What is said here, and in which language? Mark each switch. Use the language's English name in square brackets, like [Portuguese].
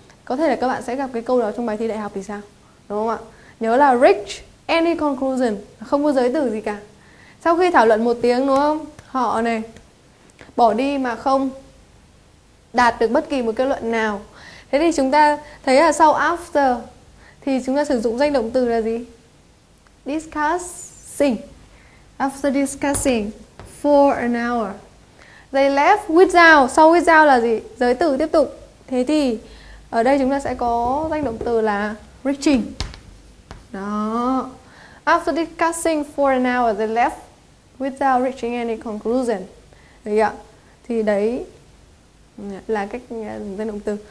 [Vietnamese] Có thể là các bạn sẽ gặp cái câu đó trong bài thi đại học thì sao? Đúng không ạ? Nhớ là [English] reach any conclusion, [Vietnamese] không có giới từ gì cả. Sau khi thảo luận một tiếng, đúng không? Họ này bỏ đi mà không đạt được bất kỳ một kết luận nào. Thế thì chúng ta thấy là sau after thì chúng ta sử dụng danh động từ là gì? [English] Discussing. After discussing for an hour, they left without. [Vietnamese] Sau without là gì? Giới từ tiếp tục. Thế thì ở đây chúng ta sẽ có danh động từ là reaching. Đó. [English] After discussing for an hour, they left without reaching any conclusion. [Vietnamese] Được ạ? Thì đấy là cách dùng danh động từ.